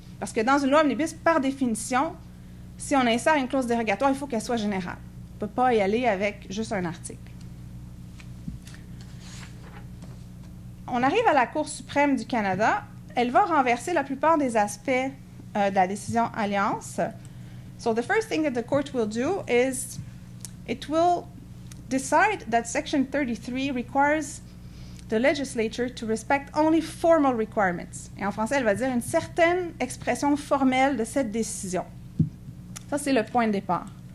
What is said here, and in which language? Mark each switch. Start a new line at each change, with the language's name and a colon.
French: Parce que dans une loi omnibus, par définition, si on insère une clause dérogatoire, il faut qu'elle soit générale. On ne peut pas y aller avec juste un article. On arrive à la Cour suprême du Canada. Elle va renverser la plupart des aspects de la décision Alliance.
English: So the first thing that the court will do is it will decide that Section 33 requires the legislature to respect only formal requirements.
French: Et en français, elle va dire une certaine expression formelle de cette décision. Ça, c'est le point de départ.